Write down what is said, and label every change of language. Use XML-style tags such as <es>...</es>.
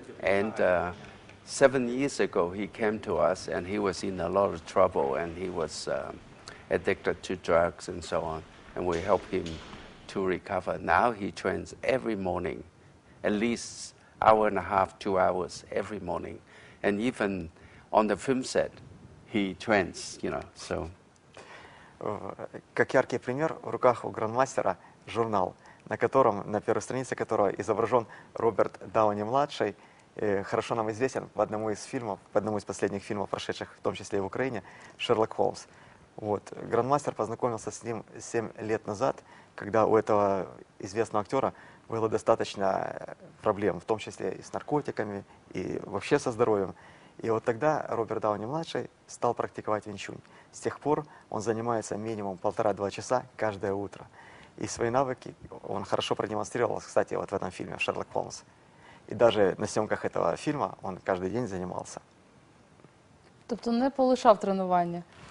<en>And 7 years ago, he came to us and he was in a lot of trouble and he was addicted to drugs and so on. And we helped him to recover. Now he trains every morning, at least hour and a half, 2 hours every morning. And even on the film set, he trains, you know, so.</en> <ru>Как яркий пример, в руках у грандмастера журнал, на котором, на первой странице которого изображен Роберт Дауни-младший, хорошо нам известен по одному из последних фильмов, прошедших в том числе и в Украине, Шерлок Холмс. Вот. Грандмастер познакомился с ним 7 лет назад, когда у этого известного актера было достаточно проблем, в том числе и с наркотиками, и вообще со здоровьем. И вот тогда Роберт Дауни-младший стал практиковать винчунь. С тех пор он занимается минимум 1,5–2 часа каждое утро. И свои навыки он хорошо продемонстрировал, кстати, вот в этом фильме «Шерлок Холмс». И даже на съемках этого фильма он каждый день занимался.</ru> <uk>Тобто не полишав тренування.</uk>